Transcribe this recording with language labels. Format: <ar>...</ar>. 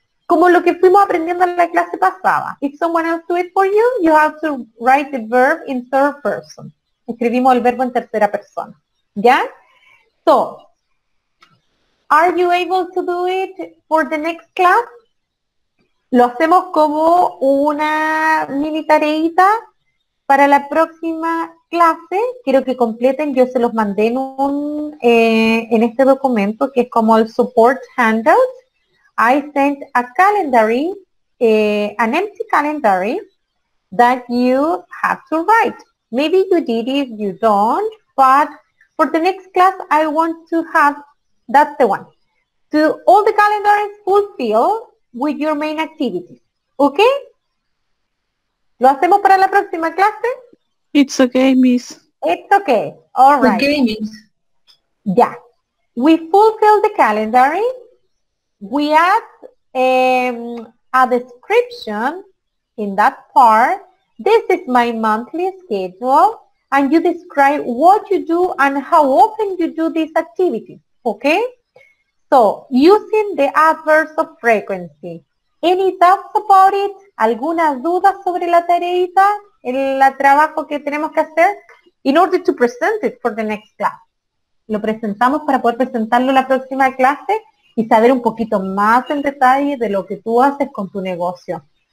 <es>Como lo que fuimos aprendiendo en la clase pasada.</es> <en>If someone else do it for you, you have to write the verb in third person.</en> <es>Escribimos el verbo en tercera persona. ¿Ya?</es> <en>So, are you able to do it for the next class?</en> <es>Lo hacemos como una mini tareita para la próxima clase. Quiero que completen. Yo se los mandé en en este documento, que es como el support handout.</es> <en>I sent a calendary, an empty calendary, that you have to write. Maybe you did it, you don't, but for the next class, I want to have, that's the one. To all the calendars fulfilled with your main activities, okay?</en> <es>¿Lo hacemos para la próxima clase?</es> <en>It's okay, miss. It's okay, all right. Okay, miss. Yeah, we fulfilled the calendary. We add a description in that part. This is my monthly schedule, and you describe what you do and how often you do these activities, okay? So, using the adverbs of frequency. Any doubts about it?</en> <es>¿Alguna duda sobre la tareita, el trabajo que tenemos que hacer?</es> <en>In order to present it for the next class.</en> <es>Lo presentamos para poder presentarlo en la próxima clase. Y saber un poquito más en detalle de lo que tú haces con tu negocio.</es>